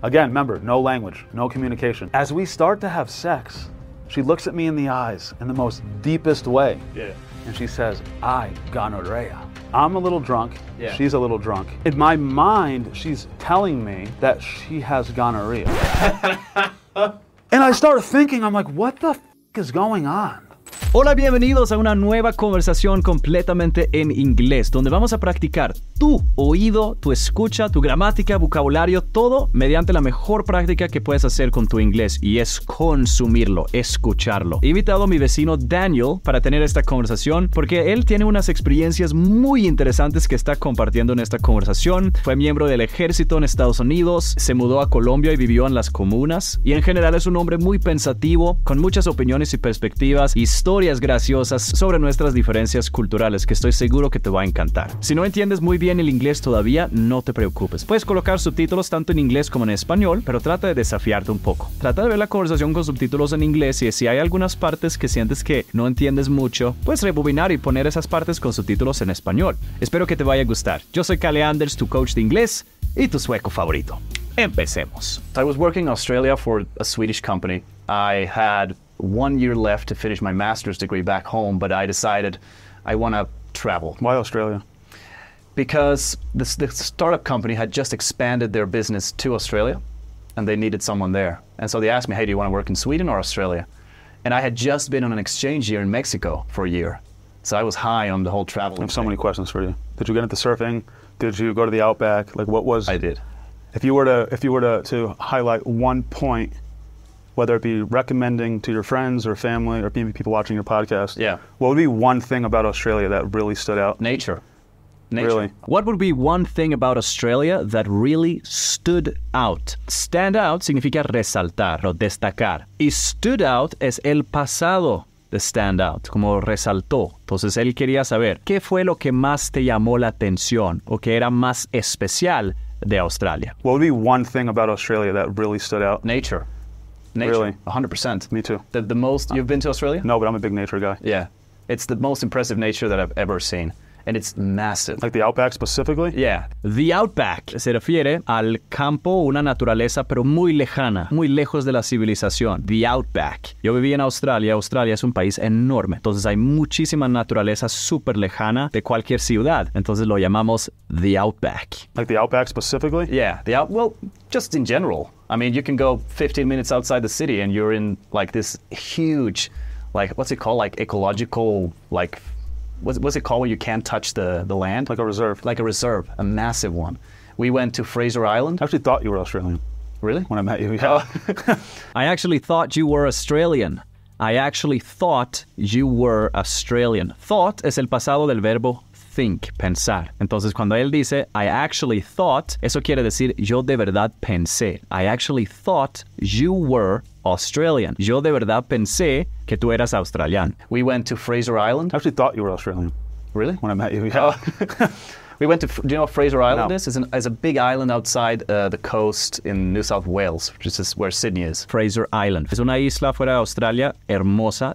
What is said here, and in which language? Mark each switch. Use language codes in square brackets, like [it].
[en] Again, remember, no language, no communication. As we start to have sex, she looks at me in the eyes in the most deepest way. Yeah. And she says, I gonorrhea. I'm a little drunk. Yeah. She's a little drunk. In my mind, she's telling me that she has gonorrhea. And I start thinking, I'm like, what the f*** is going on? [es] Hola, bienvenidos a una nueva conversación completamente en inglés, donde vamos a practicar tu oído, tu escucha, tu gramática, vocabulario, todo mediante la mejor práctica que puedes hacer con tu inglés, y es consumirlo, escucharlo. He invitado a mi vecino Daniel para tener esta conversación porque él tiene unas experiencias muy interesantes que está compartiendo en esta conversación. Fue miembro del ejército en Estados Unidos, se mudó a Colombia y vivió en las comunas, y en general es un hombre muy pensativo, con muchas opiniones y perspectivas, historias graciosas sobre nuestras diferencias culturales que estoy seguro que te va a encantar. Si no entiendes muy bien el inglés todavía, no te preocupes. Puedes colocar subtítulos tanto en inglés como en español, pero trata de desafiarte un poco. Trata de ver la conversación con subtítulos en inglés y si hay algunas partes que sientes que no entiendes mucho, puedes rebobinar y poner esas partes con subtítulos en español. Espero que te vaya a gustar. Yo soy Kalle Anders, tu coach de inglés y tu sueco favorito. Empecemos. [en] I was working in Australia for a Swedish company. I had 1 year left to finish my master's degree back home, but I decided I want to travel. Why Australia? Because the startup company had just expanded their business to Australia, and they needed someone there. And so they asked me, hey, do you want to work in Sweden or Australia? And I had just been on an exchange year in Mexico for a year. So I was high on the whole travel. I have so many questions for you. Did you get into surfing? Did you go to the Outback? Like, what was... I did. If you were to highlight one point, whether it be recommending to your friends or family or people watching your podcast, yeah, what would be one thing about Australia that really stood out? Nature. Really? What would be one thing about Australia that really stood out? [es] Stand out significa resaltar o destacar. Y stood out es el pasado de stand out, como resaltó. Entonces él quería saber, ¿qué fue lo que más te llamó la atención o que era más especial de Australia? [en] What would be one thing about Australia that really stood out? Nature. Nature, really? 100%. Me too. The most, you've been to Australia? No, but I'm a big nature guy. Yeah. It's the most impressive nature that I've ever seen. And it's massive. Like the Outback specifically? Yeah. [es] The Outback se refiere al campo, una naturaleza, pero muy lejana, muy lejos de la civilización. The Outback. Yo viví en Australia. Australia es un país enorme. Entonces hay muchísima naturaleza súper lejana de cualquier ciudad. Entonces lo llamamos The Outback. [en] Like the Outback specifically? Yeah. Well, just in general. I mean, you can go 15 minutes outside the city and you're in like this huge, like, what's it called? Like ecological, like... What's it called when you can't touch the land? Like a reserve. Like a reserve, a massive one. We went to Fraser Island. I actually thought you were Australian. Really? When I met you, yeah. I actually thought you were Australian. I actually thought you were Australian. [es] Thought es el pasado del verbo think, pensar. Entonces, cuando él dice, [en] I actually thought, [es] eso quiere decir, yo de verdad pensé. [en] I actually thought you were Australian. [es] Yo de verdad pensé que tú eras australiano. [en] We went to Fraser Island. I actually thought you were Australian. Really? When I met you, yeah. We went to, do you know what Fraser Island No. is? It's a big island outside the coast in New South Wales, which is where Sydney is. Fraser Island. [es] Es una isla fuera de Australia, hermosa.